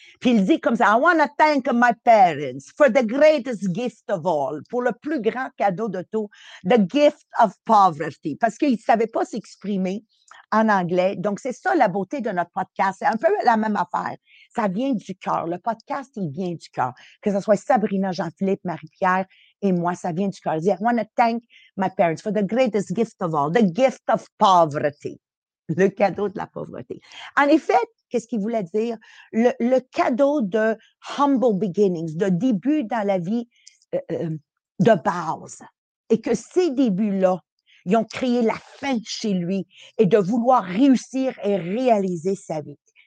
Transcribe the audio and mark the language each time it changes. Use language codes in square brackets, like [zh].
[fr] Puis il dit comme ça, [en] I want to thank my parents for the greatest gift of all, [fr] pour le plus grand cadeau de tout, [en] the gift of poverty. [fr] Parce qu'il ne savait pas s'exprimer en anglais. Donc, c'est ça la beauté de notre podcast. C'est un peu la même affaire. Ça vient du cœur. Le podcast, il vient du cœur. Que ce soit Sabrina, Jean-Philippe, Marie-Pierre et moi, ça vient du cœur. [en] I want to thank my parents for the greatest gift of all, the gift of poverty. [fr] Le cadeau de la pauvreté. En effet, qu'est-ce qu'il voulait dire? Le cadeau de humble beginnings, de début dans la vie de base. Et que ces débuts-là, ils ont créé la fin chez lui et de vouloir réussir et réaliser sa vie.